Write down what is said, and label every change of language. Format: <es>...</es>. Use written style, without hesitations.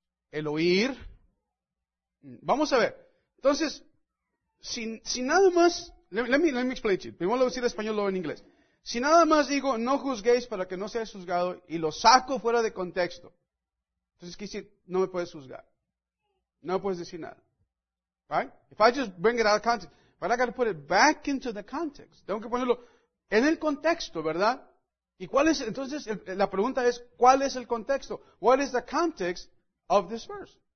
<es>El oír. Vamos a ver. Entonces, si nada más,</es> <en>let me explain it.</en> <es>Primero lo voy a decir en español, luego en inglés. Si nada más digo, no juzguéis para que no seáis juzgado, y lo saco fuera de contexto, entonces quiere decir, no me puedes juzgar. No puedes decir nada. Right?</es> <en>If I just bring it out of context, but I got to put it back into the context.</en> <es>Tengo que ponerlo en el contexto, ¿verdad? ¿Y cuál es? Entonces, la pregunta es, ¿cuál es el contexto?</es> <en>What is the context of this verse?</en>